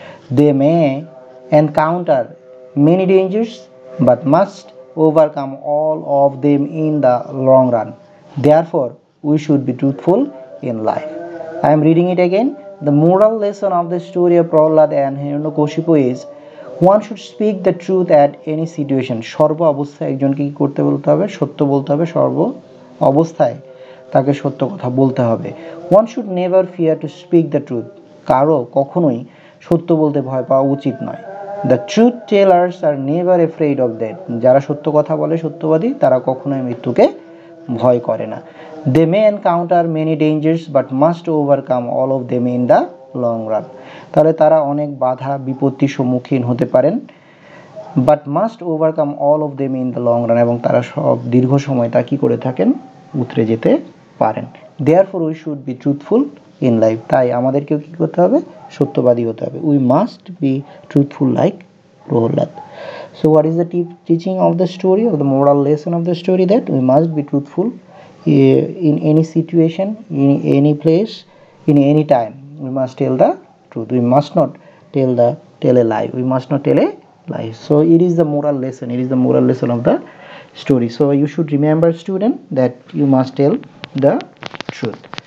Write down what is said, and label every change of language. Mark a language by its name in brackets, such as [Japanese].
[English] They may encounter many dangers but must overcome all of them in the long run. Therefore, we should be truthful in life. I am reading it again. The moral lesson of the story of Prahlad and Hiranyakashipu is, one should speak the truth at any situation. [Bangla] সর্ব অবস্থায় একজনকে কি করতে বলতে হবে? সত্য বলতে হবে. সর্ব অবস্থায় তাকে সত্য কথা বলতে হবে. [English] One should never fear to speak the truth. [Bangla] কারো কখনোই সত্য বলতে ভয় পাওয়া উচিত নয়. [English] The truth tellers are never afraid of that. [Bangla] যারা সত্য কথা বলে, সত্যবাদী, তারা কখনোই মৃত্যুকে ভয় করে না. [English] They may encounter many dangers but must overcome all of them in the long run. [Bangla] তাহলে তারা অনেক বাধা বিপত্তির সম্মুখীন হতে পারেন, [English] but must overcome all of them in the long run, [Bangla] এবং তারা সব দীর্ঘ সময় তা কী করে থাকেন? উতরে যেতে পারেন. [English] Therefore, we should be truthful in life. [Bangla] তাই আমাদেরকেও কী করতে হবে? সত্যবাদী হতে হবে. [English] We must be truthful like Prahlad. So what is the tip teaching of the story of the moral lesson of the story? That we must be truthful in any situation, in any place, in any time, we must tell the truth. We must not tell a lie. We must not tell a lie. So it is the moral lesson. It is the moral lesson of the story. So you should remember, student, that you must tell the truth.